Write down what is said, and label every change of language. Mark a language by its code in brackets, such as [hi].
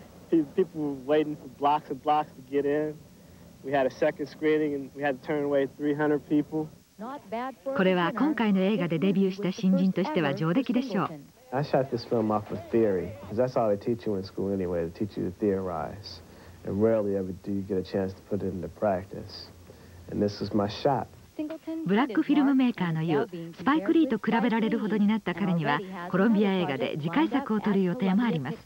[en] People were waiting for blocks and blocks to get in. We had a second screening and we had to turn away 300 people. [ja] これは今回の映画でデビューした新人としては上出来でしょう。 [en] I shot this film off of theory, because that's all they teach you in school anyway, to teach you to theorize. And rarely ever do you get a chance to put it into practice. And this was my shot. [ja] ブラックフィルムメーカーの言う、スパイク・リーと比べられるほどになった彼には、コロンビア映画で次回作を撮る予定もあります。